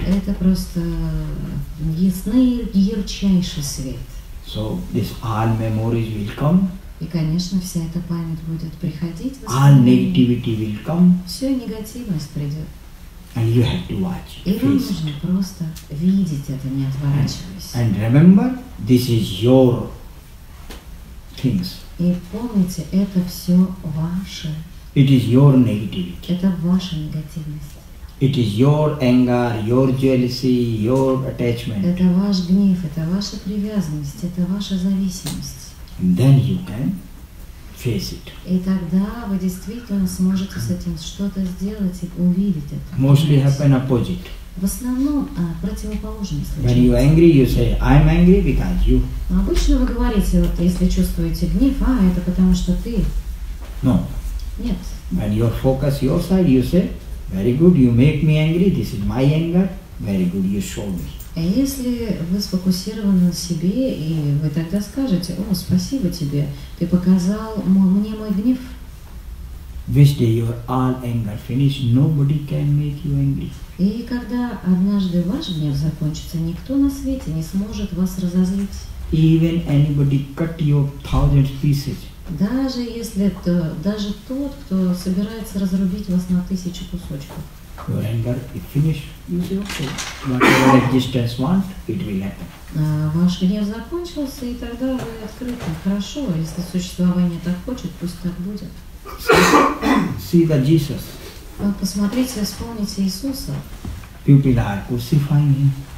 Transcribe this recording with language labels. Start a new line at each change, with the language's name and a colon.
Russian: Это просто ясный ярчайший свет.
English: So this all memories will come.
Russian: И, конечно, вся эта память будет приходить.
English: All negativity will come.
Russian: Все негативность придет.
English: And you have to watch.
Russian: И вам нужно просто видеть это, не отворачиваясь.
English: And remember, this is your things.
Russian: И помните, это все ваше.
English: It is your negativity.
Russian: Это ваша негативность.
English: It is your anger, your jealousy, your attachment.
Russian: Это ваш гнев, это ваша привязанность, это ваша зависимость.
English: Then you can face it.
Russian: И тогда вы действительно сможете с этим что-то сделать и увидеть это.
English: Mostly happen opposite.
Russian: В основном противоположность случается.
English: When you angry, you say, I'm angry because you.
Russian: Обычно вы говорите, вот если чувствуете гнев, а это потому что ты.
English: No.
Russian: Нет.
English: When you focus your side, you say, very good, you make me angry, this is my anger, very good, you show me.
Russian: А если вы сфокусированы на себе, и вы тогда скажете, о, спасибо тебе, ты показал мне мой гнев.
English: This day your all anger finished, nobody can make you angry.
Russian: И когда однажды ваш гнев закончится, никто на свете не сможет вас разозлить.
English: Even anybody cut your thousand pieces.
Russian: Даже если это, даже тот, кто собирается разрубить вас на тысячу кусочков.
English: Your anger is finished. Okay. Whatever existence wants, it will happen.
Russian: Ваш гнев закончился, и тогда вы открыты. Хорошо, если существование так хочет, пусть так будет.
English: See the Jesus.
Russian: Посмотрите, вспомните Иисуса.
English: People are crucifying him.